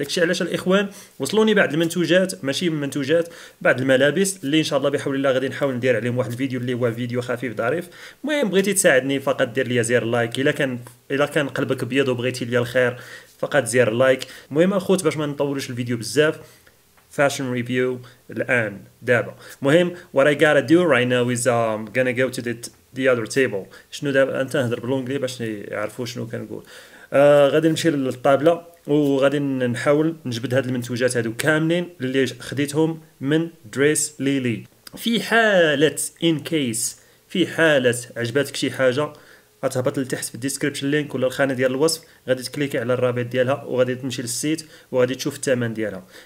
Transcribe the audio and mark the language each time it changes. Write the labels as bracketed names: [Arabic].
[Arabic] داكشي علاش الاخوان وصلوني بعض المنتوجات ماشي منتوجات بعض الملابس اللي ان شاء الله بحول الله غادي نحاول ندير عليهم واحد الفيديو اللي هو فيديو خفيف ظريف. المهم بغيتي تساعدني فقط دير لي زير لايك الا كان قلبك بيض وبغيتي لي الخير فقط زير لايك. المهم اخوت باش ما نطولوش الفيديو بزاف فاشن ريفيو الان دابا. المهم [English] what I gotta do right now is I'm gonna go to the other table. [Arabic] شنو دابا انت هضر بلونجلي باش يعرفوا شنو كنقول. غادي نمشي للطابله وغادي نحاول نجبد هاد المنتوجات هادو كاملين اللي خديتهم من دريس ليلي. في حاله عجبتك شي حاجه غتهبط لتحت في الديسكريبشن لينك ولا الخانه ديال الوصف غادي تكليكي على الرابط ديالها وغادي تمشي للسيت وغادي تشوف الثمن ديالها.